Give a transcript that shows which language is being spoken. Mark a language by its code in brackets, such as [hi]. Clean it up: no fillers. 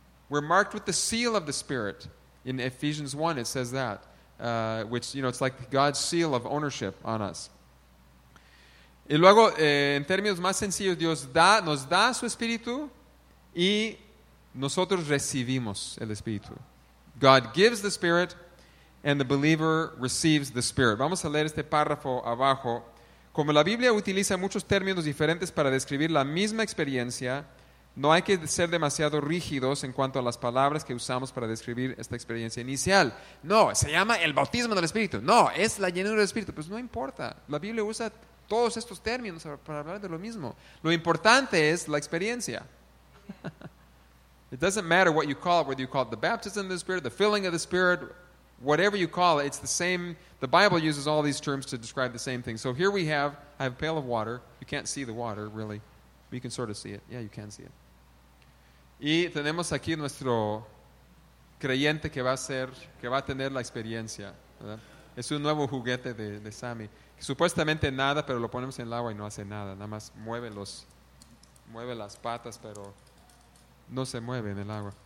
[en] We're marked with the seal of the Spirit. In Ephesians 1, it says that. Which, you know, it's like God's seal of ownership on us. [es] Y luego, en términos más sencillos, Dios nos da su Espíritu y nosotros recibimos el Espíritu. [en] God gives the Spirit and the believer receives the Spirit. [es] Vamos a leer este párrafo abajo. Como la Biblia utiliza muchos términos diferentes para describir la misma experiencia, no hay que ser demasiado rígidos en cuanto a las palabras que usamos para describir esta experiencia inicial. No, se llama el bautismo del Espíritu. No, es la llenura del Espíritu. Pues no importa. La Biblia usa todos estos términos para hablar de lo mismo. Lo importante es la experiencia. [en] It doesn't matter what you call it, whether you call it the baptism of the Spirit, the filling of the Spirit, whatever you call it, it's the same. The Bible uses all these terms to describe the same thing. So here we have, I have a pail of water. You can't see the water, really. You can sort of see it. Yeah, you can see it. [es] Y tenemos aquí nuestro creyente que va a tener la experiencia, ¿verdad? Es un nuevo juguete de Sammy. Supuestamente nada, pero lo ponemos en el agua y no hace nada. Nada más mueve las patas, pero no se mueve en el agua.